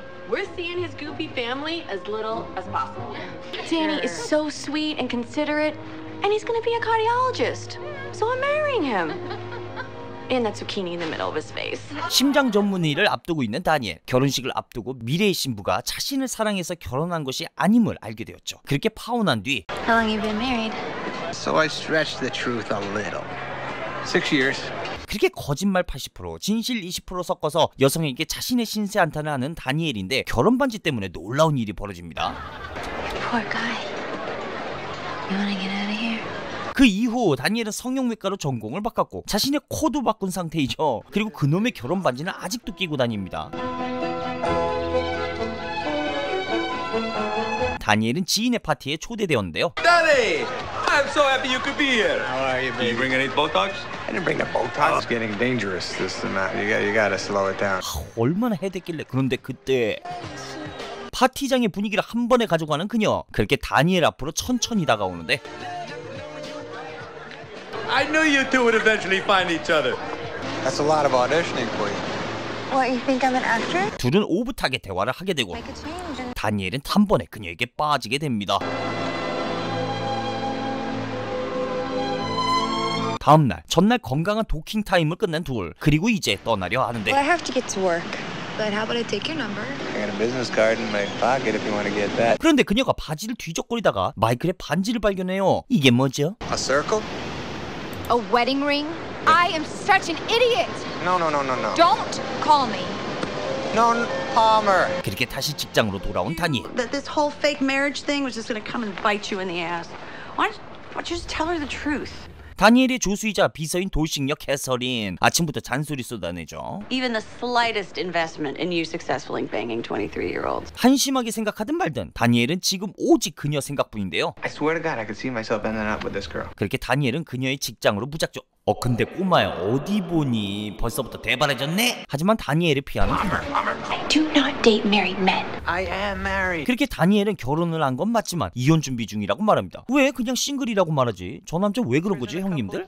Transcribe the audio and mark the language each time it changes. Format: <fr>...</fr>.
<en>We're seeing his goofy family as little as possible. Danny is so sweet and considerate, and he's gonna be a cardiologist. So I'm marrying him. And that zucchini in the middle of his face.</en> <ko>심장 전문의를 앞두고 있는 다니엘. 결혼식을 앞두고 미래의 신부가 자신을 사랑해서 결혼한 것이 아님을 알게 되었죠. 그렇게 파혼한 뒤.</ko> <en>How long have you been married? So I stretched the truth a little. 6 years.</en> <ko>그렇게 거짓말 80%, 진실 20% 섞어서 여성에게 자신의 신세 한탄을 하는 다니엘인데 결혼 반지 때문에 놀라운 일이 벌어집니다.</ko> <en>Poor guy. You wanna get out of here?</en> <ko>그 이후 다니엘은 성형외과로 전공을 바꿨고 자신의 코도 바꾼 상태이죠. 그리고 그놈의 결혼 반지는 아직도 끼고 다닙니다. 다니엘은 지인의 파티에 초대되었는데요.</ko> <en>Danny! I'm so happy you could be here. How are you, baby? Did you bring any Botox? I didn't bring the Botox. It's getting dangerous. This amount. You gotta slow it down.</en> <ko>아, 얼마나 해댔길래. 그런데 그때 파티장의 분위기를 한 번에 가져가는 그녀. 그렇게 다니엘 앞으로 천천히 다가오는데.</ko> <en>I knew you two would eventually find each other. That's a lot of auditioning for you. What, you think I'm an actress?</en> <ko>둘은 오붓하게 대화를 하게 되고 다니엘은 한 번에 그녀에게 빠지게 됩니다. 다음 날, 전날 건강한 도킹 타임을 끝낸 둘. 그리고 이제 떠나려 하는데.</ko> <en>Well, I have to get to work. But how about I take your number? I got a business card in my pocket if you want to get that.</en> <ko>그런데 그녀가 바지를 뒤적거리다가 마이클의 반지를 발견해요. 이게 뭐죠?</ko> <en>A circle? A wedding ring? I am such an idiot. No. Don't call me. No, Palmer.</en> <ko>그렇게 다시 직장으로 돌아온 다니.</ko> <en>That this whole fake marriage thing was just going to come and bite you in the ass. Why don't you just tell her the truth?</en> <ko>다니엘의 조수이자 비서인 도식 역 캐서린. 아침부터 잔소리 쏟아내죠.</ko> <en>Even the slightest investment in you successfully banging 23-year-olds.</en> <ko>한심하게 생각하든 말든 다니엘은 지금 오직 그녀 생각뿐인데요.</ko> <en>I swear to God, I could see myself ending up with this girl.</en> <ko>그렇게 다니엘은 그녀의 직장으로 무작정. 어 근데 꼬마야 어디 보니 벌써부터 대바라졌네. 하지만 다니엘을 피하는</ko> <en>I do not date married men. I am married.</en> <ko>그렇게 다니엘은 결혼을 한 건 맞지만 이혼 준비 중이라고 말합니다. 왜 그냥 싱글이라고 말하지? 저 남자 왜 그런 거지 형님들?</ko>